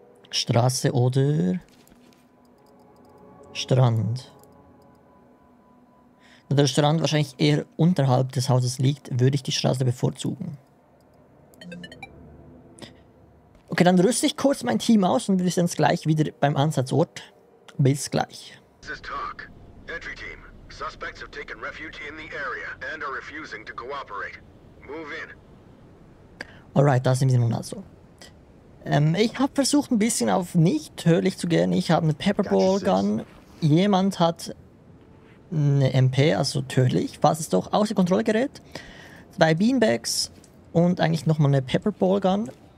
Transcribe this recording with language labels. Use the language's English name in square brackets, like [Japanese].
[German] Straße oder Strand. Da der Strand wahrscheinlich eher unterhalb des Hauses liegt, würde ich die Straße bevorzugen. Okay, dann rüste ich kurz mein Team aus und wir sind gleich wieder beim Ansatzort. Bis gleich. [English] This is Talk. Entry Team. Suspects have taken refuge in the area and are refusing to cooperate. Move in. [German] Alright, da sind wir nun also. Ich habe versucht, ein bisschen auf nicht tödlich zu gehen. Ich habe eine Pepperball Gun. Jemand hat eine MP, also tödlich, falls es doch außer Kontrolle gerät. 2 Beanbags und eigentlich nochmal eine Pepperball Gun.